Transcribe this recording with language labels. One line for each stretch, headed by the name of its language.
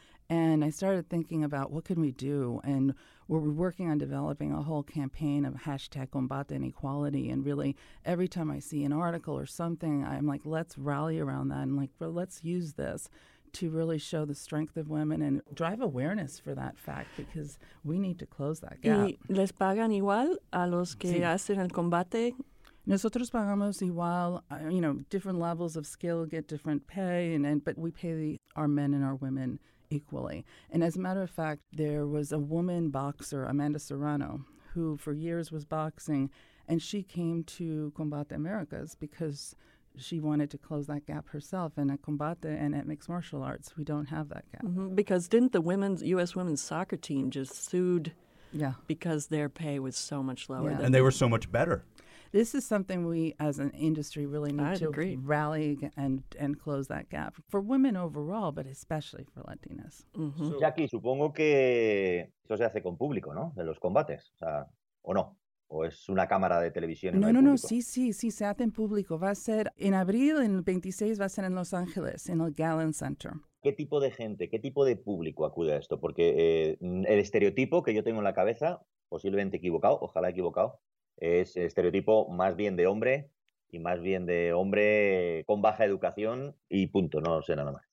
English: And I started thinking about what can we do, and we're working on developing a whole campaign of hashtag combate inequality, and really every time I see an article or something, I'm like, let's rally around that, and like, well, let's use this to really show the strength of women and drive awareness for that fact because we need to close that gap.
Spanish: ¿Y les pagan igual a los que hacen el combate? Nosotros pagamos igual,
English: you know, different levels of skill get different pay, and but we pay our men and our women equally. And as a matter of fact, there was a woman boxer, Amanda Serrano, who for years was boxing, and she came to Combate Americas because she wanted to close that gap herself in a combate and at mixed martial arts. We don't have that gap. Because didn't the U.S. women's soccer team just sued because their pay was so much lower? Yeah. And they were so much better. This is something we as an industry really need rally and close that gap for women overall, but especially for Latinas.
Spanish: So, Jackie, supongo que eso se hace con público, ¿no? De los combates, o sea, ¿o no? ¿O es una cámara de televisión? No, sí, se hace en público. Va a ser en abril, en el 26, va a ser en Los Ángeles, en el Gallen Center. ¿Qué tipo de gente, qué tipo de público acude a esto? Porque el estereotipo que yo tengo en la cabeza, posiblemente equivocado, ojalá equivocado, es el estereotipo más bien de hombre y más bien de hombre con baja educación y punto, no sé nada más.